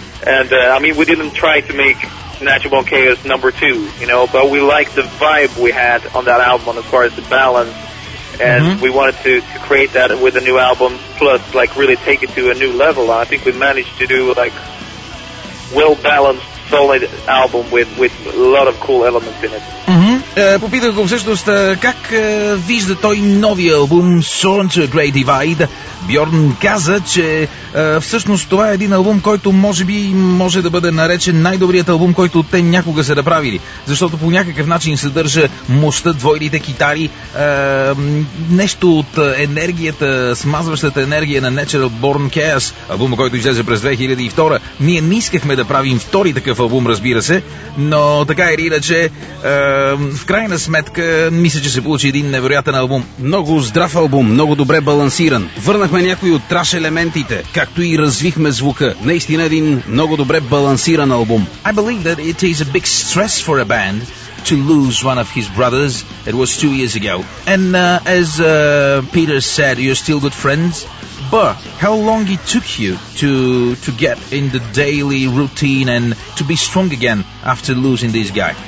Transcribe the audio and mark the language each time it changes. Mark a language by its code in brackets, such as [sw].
[en] And I mean, we didn't try to make Natural Born Chaos number two, you know, but we liked the vibe we had on that album as far as the balance, and mm-hmm. we wanted to create that with a new album, plus like really take it to a new level. I think we managed to do like well-balanced, solid album with a lot of cool elements in it. Mm-hmm. [bg] Попитах го всъщност как вижда той новия албум Sworn to a Great Divide. Бьорн каза, че всъщност това е един албум, който може би може да бъде наречен най-добрият албум, който те някога са направили. Защото по някакъв начин съдържа мощта, двойните китари, нещо от енергията, смазващата енергия на Natural Born Chaos, албума, който излезе през 2002. Ние не искахме да правим втори такъв албум, разбира се, но така или иначе, в крайна сметка, мисля, че се получи един невероятен албум. Много здрав албум, много добре балансиран. Върнахме някои от траш елементите, както и развихме звука. Наистина един много добре балансиран албум. [en] I believe that it is a big stress for a band to lose one of his brothers. It was 2 years ago. And as Peter said, you're still good friends. But how long it took you to get in the daily routine and to be strong again after losing this guy?